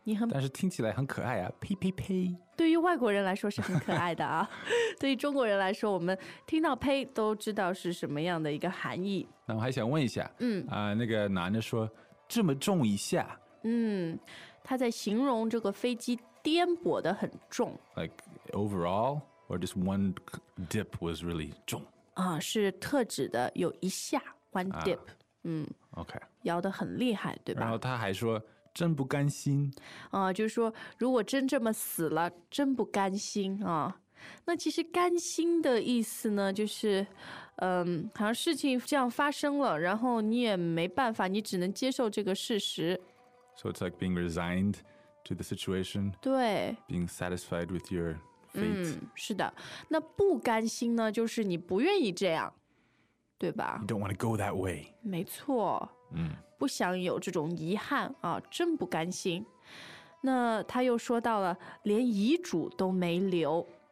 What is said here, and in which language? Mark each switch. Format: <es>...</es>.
<zh>但是听起来很可爱啊，呸呸呸。对于外国人来说是很可爱的啊。对于中国人来说，我们听到呸都知道是什么样的一个含义。那我还想问一下，那个男的说这么重一下，他在形容这个飞机颠簸得很重。</zh> <en>Like overall, or just one dip was really 重、</en> <zh>是特指的有一下</zh> <en>one dip、 OK</en> <zh>摇得很厉害对吧，然后他还说真不甘心、就是说如果真这么死了真不甘心、那其实甘心的意思呢就是好像事情这样发生了然后你也没办法你只能接受这个事实。</zh> <en>So it's like being resigned to the situation.</en> <zh>对。</zh> <en>Being satisfied with your fate.</en> <zh>是的。那不甘心呢就是你不愿意这样对吧。</zh> <en>You don't want to go that way.</en> <zh>没错。不想有这种遗憾啊，真不甘心。那他又说到了连遗嘱都没留。</zh>